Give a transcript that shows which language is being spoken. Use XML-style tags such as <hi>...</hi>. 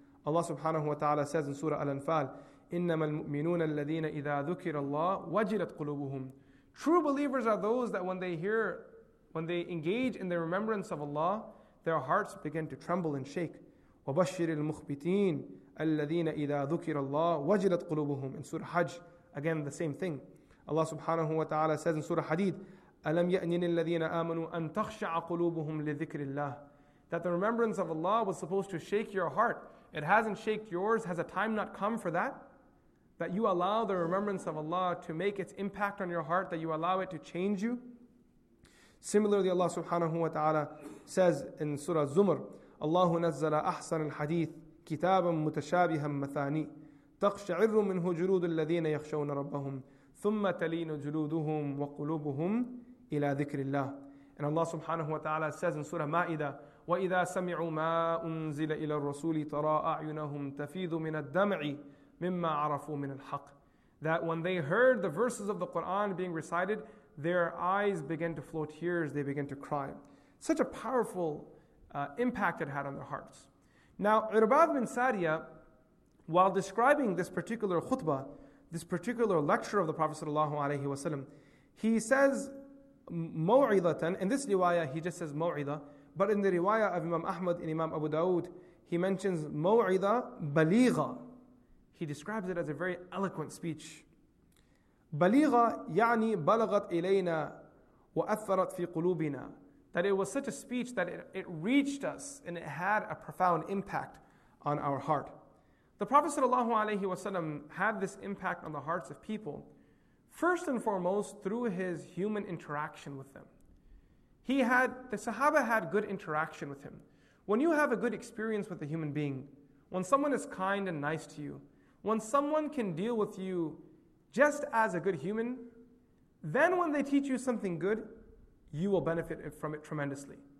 <en>Allah subhanahu wa ta'ala says in Surah Al-Anfal,</en> <ar>إِنَّمَا الْمُؤْمِنُونَ الَّذِينَ إِذَا ذُكِرَ اللَّهُ وَجِلَتْ قُلُوبُهُمْ.</ar> <en>True believers are those that when they hear, when they engage in the remembrance of Allah, their hearts begin to tremble and shake.</en> <ar>وَبَشِّرِ الْمُخْبِتِينَ الَّذِينَ إِذَا ذُكِرَ اللَّهُ وَجِلَتْ قُلُوبُهُمْ.</ar> <en>In Surah Hajj, again the same thing. Allah subhanahu wa ta'ala says in Surah Hadid,</en> <ar>أَلَمْ يَأْنِنِ الَّذِينَ آمَنُوا أَن تَخْشَعَ قُلُوبُهُمْ لِذِكْرِ اللَّهِ.</ar> <en>That the remembrance of Allah was supposed to shake your heart. It hasn't shaked yours. Has a time not come for that? That you allow the remembrance of Allah to make its impact on your heart, that you allow it to change you? Similarly, Allah subhanahu wa ta'ala says in Surah Zumar,</en> <ar>اللَّهُ نَزَّلَ أَحْسَنَ الْحَدِيثِ كِتَابًا مُتَشَابِهًا مَثَانِي تَخْشَعِرُّ مِنْهُ جُلُودُ الَّذِينَ يَخْشَوْنَ رَبَّهُمْ ثُمَّ تَلِينُ جُلُودُهُمْ وَقُلُوبُهُمْ إِلَى ذِكْرِ اللَّهِ.</ar> <en>And Allah subhanahu wa ta'ala says in Surah Ma'idah,</en> <ar>وَإِذَا سَمِعُوا مَا أُنزِلَ إِلَى الرَّسُولِ تَرَىٰ أَعْيُنَهُمْ تَفِيضُ مِنَ الدَّمْعِ مِمَّا عَرَفُوا مِنَ الْحَقِّ.</ar> <en>That when they heard the verses of the Quran being recited, their eyes began to flow tears, they began to cry. Such a powerful impact it had on their hearts. Now, Irbad bin Sariya, while describing this particular khutbah, this particular lecture of the Prophet sallallahu alaihi wasallam, he says mu'idatan. In this riwayah, he just says mu'idah. But in the riwayah of Imam Ahmad and Imam Abu Dawud, he mentions maw'idha baligha. He describes it as a very eloquent speech.</en> <ar>Baligha يعني بلغت إلينا وأثرت في قلوبنا.</ar> <en>That it was such a speech that it reached us and it had a profound impact on our heart. The Prophet sallallahu alaihi wasallam had this impact on the hearts of people, first and foremost through his human interaction with them. The Sahaba had good interaction with him. When you have a good experience with a human being, when someone is kind and nice to you, when someone can deal with you just as a good human, then when they teach you something good, you will benefit from it tremendously.</en>